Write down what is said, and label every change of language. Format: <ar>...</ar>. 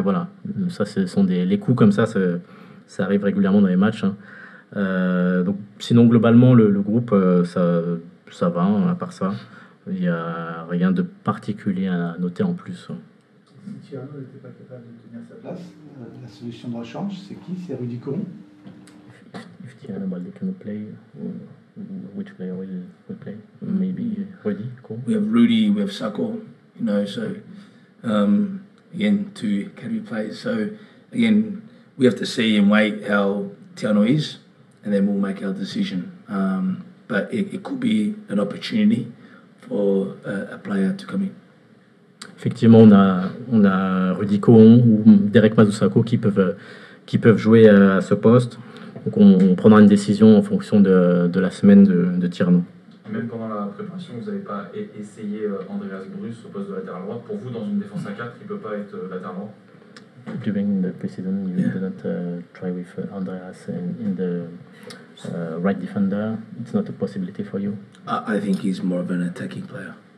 <fr>Voilà, ça, ce sont les coups comme ça. Ça arrive régulièrement dans les matchs. Donc, sinon, globalement, le groupe, ça, ça va, à part ça. Il n'y a rien de particulier à noter en plus. Si Thiago n'était pas capable de tenir sa place, la solution de rechange, c'est qui? C'est Rudy Coron.</fr> <en>If Thiago Balde can play, which player will play? Maybe Rudy Coron. We have Rudy, we have Sako, you know, so again, two academy players. So again, we have to see and wait how Thiago is, and then we'll make our decision. But it could be an opportunity for a player to come in.</en> <fr>Effectivement, on a Rudy Coron ou Derek Mazusako qui peuvent jouer à ce poste. Donc on prendra une décision en fonction de la semaine de Tirano. Même pendant la préparation, vous n'avez pas essayé Andreas Bruce au poste de latéral droit. Pour vous, dans une défense à 4, il ne peut pas être latéral droit.</fr> <en>During the pre-season, you did not try with Andreas in the right defender. It's not a possibility for you. I think he's more of an attacking player.</en>